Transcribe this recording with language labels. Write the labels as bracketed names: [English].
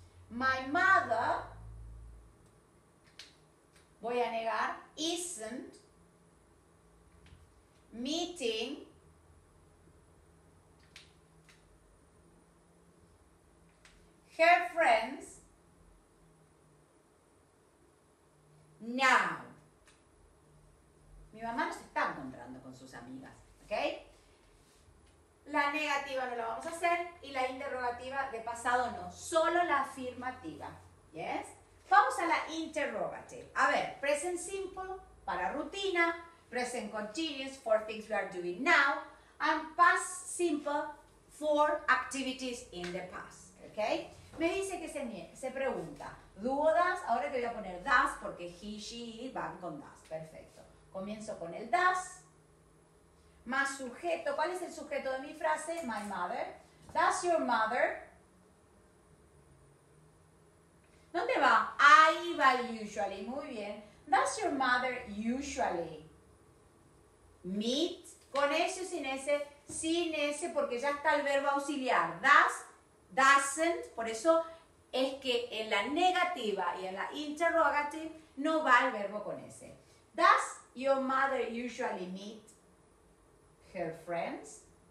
[English] My mother, [Spanish] voy a negar, [English] isn't meeting her friends now. [Spanish] Mi mamá no se está encontrando con sus amigas, ¿ok? La negativa no la vamos a hacer y la interrogativa de pasado no, solo la afirmativa, ¿yes? Vamos a la interrogative. A ver, present simple para rutina. [English] Present continuous for things we are doing now, and past simple for activities in the past, ¿ok? [Spanish] Me dice que se pregunta, ¿do o does? Ahora te voy a poner does porque he, she, it van con does, perfecto. Comienzo con el does, más sujeto, ¿cuál es el sujeto de mi frase? [English] My mother. Does your mother? [Spanish] ¿Dónde va? Ahí va el usually, muy bien. [English] Does your mother usually meet, [Spanish] con S o sin S? Sin S, porque ya está el verbo auxiliar. Does, doesn't. Por eso es que en la negativa y en la interrogative no va el verbo con S. [English] Does your mother usually meet her friends?